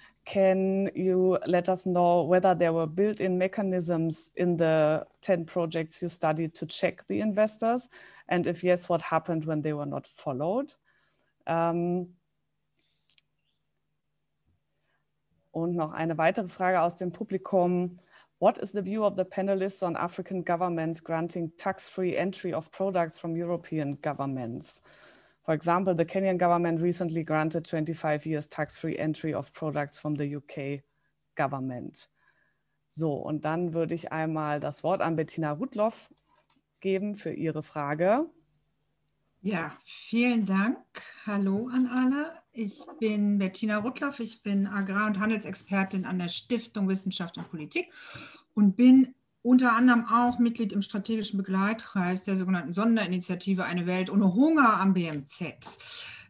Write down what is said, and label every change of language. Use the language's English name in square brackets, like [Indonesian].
[English] Can you let us know whether there were built-in mechanisms in the 10 projects you studied to check the investors? And if yes, what happened when they were not followed? [German] Und noch eine weitere Frage aus dem Publikum. [English] What is the view of the panelists on African governments granting tax-free entry of products from European governments? For example, the Kenyan government recently granted 25 years tax-free entry of products from the UK government. [German] So, und dann würde ich einmal das Wort an Bettina Rudloff geben für ihre Frage. Ja, vielen Dank. Hallo an alle. Ich bin Bettina Rudloff. Ich bin Agrar- und Handelsexpertin an der Stiftung Wissenschaft und Politik und bin unter anderem auch Mitglied im strategischen Begleitkreis der sogenannten Sonderinitiative Eine Welt ohne Hunger am BMZ.